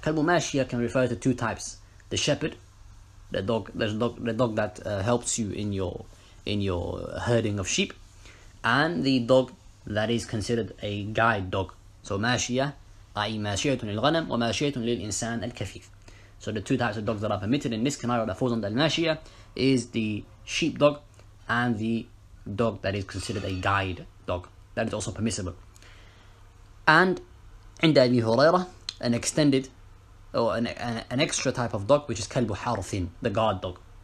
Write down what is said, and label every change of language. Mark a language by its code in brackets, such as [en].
[en] كلب ماشية can refer to two types. The shepherd, the dog that helps you in your herding of sheep, and the dog that is considered a guide dog. So ماشية, i.e. [ar] ماشية للغنم وماشية للإنسان الكفيف. [en] So the two types of dogs that are permitted in this scenario that falls under الماشية is the sheep dog and the dog that is considered a guide dog. That is also permissible. And عند أبي هريرة, an extended or an extra type of dog, which is كلب حارثين, the guard dog.